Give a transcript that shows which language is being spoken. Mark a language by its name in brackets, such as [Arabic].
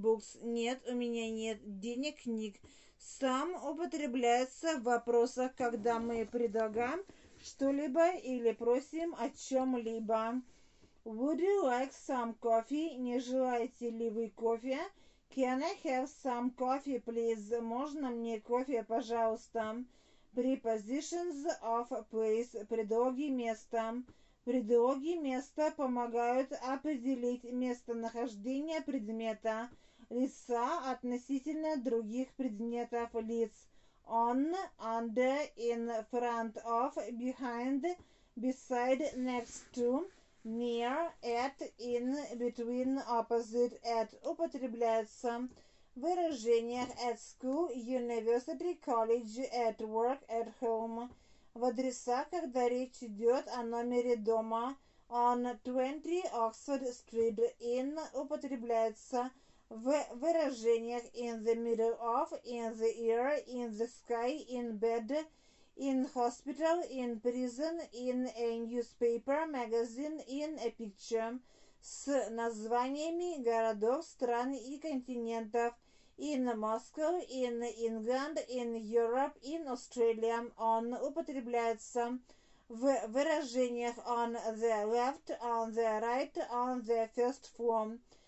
[English] Books. [Russian] Нет, у меня нет денег, книг. Some употребляется в вопросах, когда мы предлагаем что-либо или просим о чем-либо. [English] Would you like some coffee? [Russian] Не желаете ли вы кофе? [English] Can I have some coffee, please? [Russian] Можно мне кофе, пожалуйста? [English] Prepositions of place. [Russian] Предлоги места. Предлоги места помогают определить местонахождение предмета, лица относительно других предметов, лиц. [English] On, under, in front of, behind, beside, next to, near, at, in, between, opposite, at [Russian] употребляются в выражениях [English] at school, university, college, at work, at home. [Russian] В адресах, когда речь идет о номере дома. [English] On 20 Oxford Street, in [Russian] употребляется в выражениях [English] in the middle of, in the air, in the sky, in bed, in hospital, in prison, in a newspaper, magazine, in a picture. [Russian] С названиями городов, стран и континентов. [English] In Moscow, in England, in Europe, in Australia. On [Russian] употребляется в выражениях [English] on the left, on the right, on the first floor.